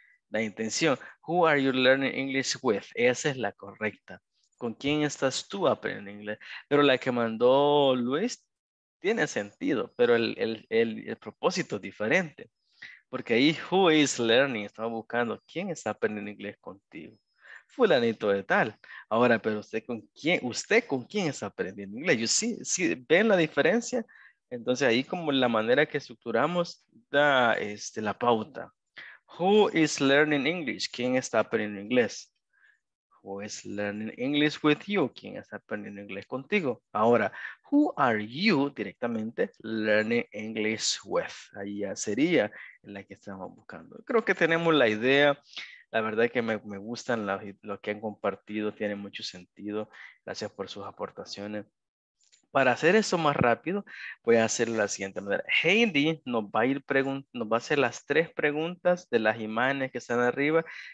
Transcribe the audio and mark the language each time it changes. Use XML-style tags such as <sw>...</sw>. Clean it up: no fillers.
<es>La intención,</es> <en>who are you learning English with?</en> <es>Esa es la correcta. ¿Con quién estás tú aprendiendo inglés? Pero la que mandó Luis tiene sentido, pero el propósito es diferente. Porque ahí,</es> <en>who is learning?</en> <es>Estaba buscando quién está aprendiendo inglés contigo. Fulanito de tal. Ahora, pero usted con quién está aprendiendo inglés?</es> <en>You see,</en> <es>¿sí ven la diferencia? Entonces ahí como la manera que estructuramos da la pauta.</es> <en>Who is learning English?</en> <es>¿Quién está aprendiendo inglés?</es> <en>Who is learning English with you?</en> <es>¿Quién está aprendiendo inglés contigo? Ahora,</es> <en>who are you</en> <es>directamente</es> <en>learning English with?</en> <es>Ahí ya sería en la que estamos buscando. Creo que tenemos la idea. La verdad es que me gustan lo que han compartido. Tiene mucho sentido. Gracias por sus aportaciones. Para hacer eso más rápido, voy a hacer la siguiente manera. Heidi nos va a hacer las tres preguntas de las imágenes que están arriba.</es>